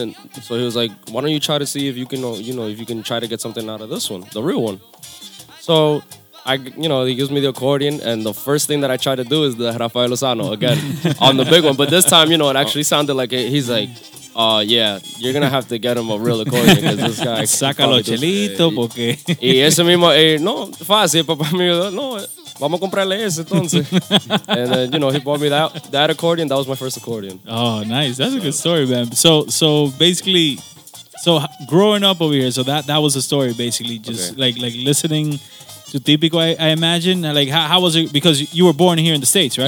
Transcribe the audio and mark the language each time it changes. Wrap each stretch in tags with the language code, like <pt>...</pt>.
<en>And so he was like, why don't you try to see if you can, you know, if you can try to get something out of this one, the real one. So, he gives me the accordion, and the first thing that I try to do is the Rafael Lozano again on the big one. But this time, you know, it actually sounded like he's like, yeah, you're going to have to get him a real accordion because this guy...</en> <es>Sácalo chelito, porque... Y ese mismo, no, fácil, papá mío, no, vamos a comprarle ese entonces.</es> <en>And then, you know, he bought me that accordion. That was my first accordion. Oh, nice. That's a good story, man. So basically... So growing up over here, so that was the story, basically, just okay. like listening to Típico, I imagine. Like, how was it? Because you were born here in the States, right?</en>